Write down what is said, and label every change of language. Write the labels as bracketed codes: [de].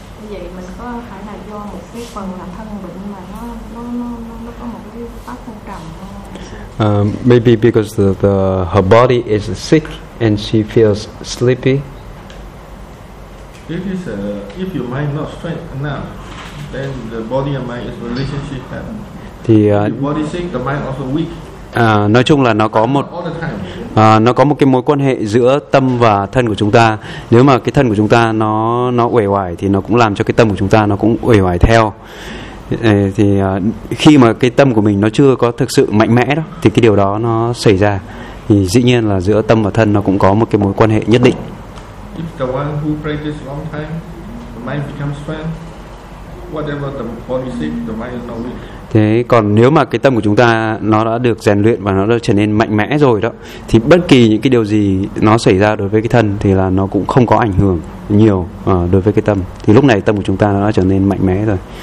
[vi] Vậy mình có phải là do một cái phần là thân bệnh mà nó có một cái pháp không trầm không? [en] Maybe because the her body is sick and she feels sleepy. This is if your mind not strong enough, then the body and mind is relationship happen. [vi] Thì [en] body sick, the mind also weak. [vi] Nói chung là nó có một cái mối quan hệ giữa tâm và thân của chúng ta. Nếu mà cái thân của chúng ta nó uể oải thì nó cũng làm cho cái tâm của chúng ta nó cũng uể oải theo. Thì khi mà cái tâm của mình nó chưa có thực sự mạnh mẽ đó thì cái điều đó nó xảy ra, thì dĩ nhiên là giữa tâm và thân nó cũng có một cái mối quan hệ nhất định. [en] If the one who practices long time, the mind becomes strong. Whatever the body sick, the mind is not weak. [vi] Thế còn nếu mà cái tâm của chúng ta nó đã được rèn luyện và nó đã trở nên mạnh mẽ rồi đó, thì bất kỳ những cái điều gì nó xảy ra đối với cái thân thì là nó cũng không có ảnh hưởng nhiều đối với cái tâm. Thì lúc này tâm của chúng ta nó đã trở nên mạnh mẽ rồi.